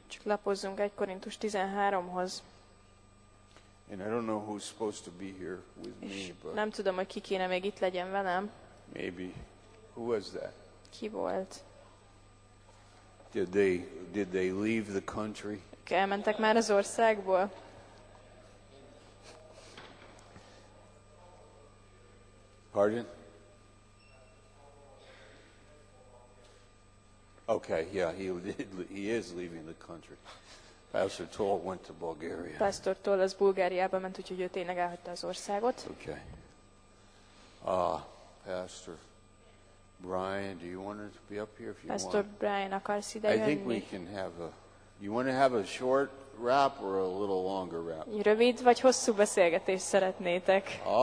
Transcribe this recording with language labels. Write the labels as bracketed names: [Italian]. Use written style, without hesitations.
[Hungarian] Csak lapozzunk 1 Korintus 13-hoz. [English] And I don't know who's supposed to be here with me, but [Hungarian] nem tudom, hogy ki kéne még itt legyen velem. [English] Maybe. Who was that? [Hungarian] Ki volt? [English] Did they leave the country? [Hungarian] Elmentek már az országból. [English] Pardon? Okay, yeah, he is leaving the country. Pastor Toll went to Bulgaria. [Hungarian] Pastor Toll az Bulgáriába ment, úgyhogy ő tényleg elhagyta az országot. [English] Okay. Pastor Brian, do you want to be up here if you Pastor want? [Hungarian] Pastor Brian, akarsz ide jönni? [English] I think we can have a. You want to have a short rap or a little longer rap? [Hungarian] Rövid vagy hosszú beszélgetést szeretnétek?